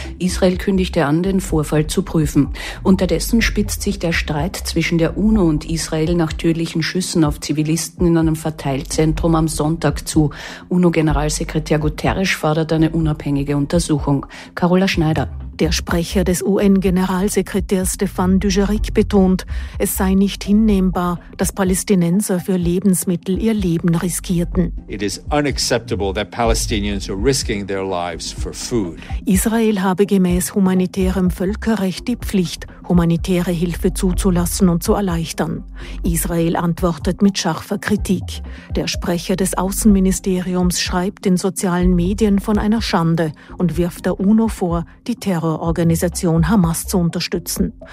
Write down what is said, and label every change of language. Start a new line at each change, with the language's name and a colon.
German: Israel kündigte an, den Vorfall zu prüfen. Unterdessen spitzt sich der Streit zwischen der UNO und Israel nach tödlichen Schüssen auf Zivilisten in einem Verteilzentrum am Sonntag zu. UNO-Generalsekretär Guterres fordert eine unabhängige Untersuchung. Carola Schneider. Der Sprecher des UN-Generalsekretärs Stefan Dujarric betont, es sei nicht hinnehmbar, dass Palästinenser für Lebensmittel ihr Leben riskierten.
English: It is unacceptable that Palestinians are risking their lives for food.
German: Israel habe gemäß humanitärem Völkerrecht die Pflicht, humanitäre Hilfe zuzulassen und zu erleichtern. Israel antwortet mit scharfer Kritik. Der Sprecher des Außenministeriums schreibt in sozialen Medien von einer Schande und wirft der UNO vor, die Terrororganisation Hamas zu unterstützen.